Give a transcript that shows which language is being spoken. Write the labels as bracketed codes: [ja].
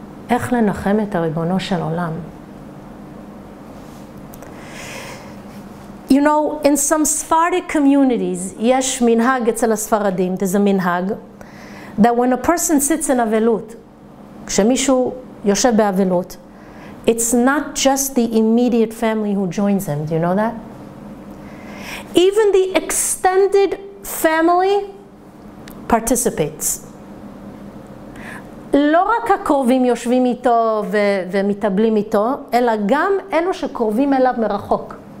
[he] איך לנחם את הריבונו של עולם? [en] You know, in some Sephardic communities, [he] יש מנהג אצל הספרדים, [en] there's a מנהג, that when a person sits in avelut, [he] כשמישהו יושב באבלות, [en] it's not just the immediate family who joins him. Do you know that? Even the extended family participates. [he] לא רק הקרובים יושבים איתו ומתאבלים איתו, אלא גם אלו שקרובים אליו מרחוק.